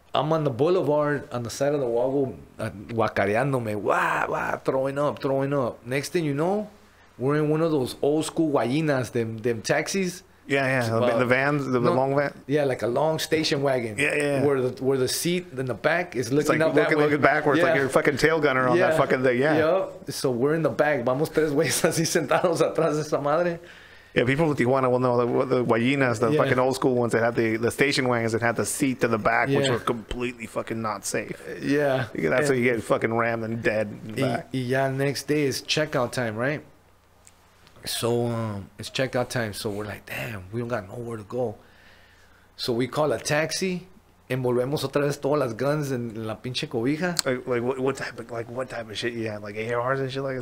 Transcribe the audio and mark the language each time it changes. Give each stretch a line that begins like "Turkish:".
English: I'm on the boulevard on the side of the wago, guacareándome, throwing up. Next thing you know, we're in one of those old school guayinas, them taxis. The long van. Yeah, like a long station wagon. Yeah. Where the seat in the back is looking like out that way. Looking backwards, like you're a fucking tail gunner on that fucking thing. Yeah. Yep. So we're in the back.
Spanish: Vamos tres güeyes así sentados atrás de esa madre.
English: Yeah, people from Tijuana will know the guayinas, the fucking old school ones that had the station wagons that had the seat to the back, which were completely fucking not safe. That's how you get fucking rammed and dead. Next day is checkout time, right? So it's checkout time. So we're like, damn, we don't got nowhere to go. So we call a taxi.
Spanish: Envolvemos otra vez todas las guns en la pinche cobija.
English: What type of shit you have? Like ARs and shit like